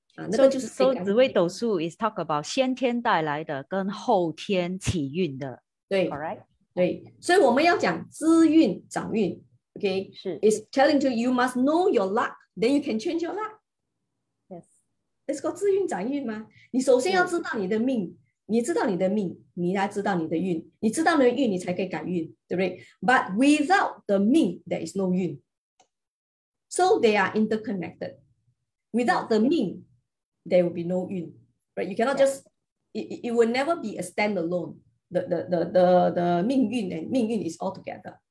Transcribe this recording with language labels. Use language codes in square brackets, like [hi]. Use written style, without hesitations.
[en] So Zi Wei Dou Shu is talk about [zh] 先天带来的跟后天起运的, [en] correct? [zh] 对,所以我们要讲资运掌运, okay? 是. [en] It's telling you, you must know your luck, then you can change your luck. Yes. It's called 资运掌运吗? [zh] 你首先要知道你的命, 你知道你的命, 你来知道你的运, 你知道你的运, 你才可以改运, right? [en] But without the 命, there is no 运. So they are interconnected. Without the Ming, there will be no Yun. Right? You cannot just, it will never be a standalone. The Ming Yun and Ming Yun is all together.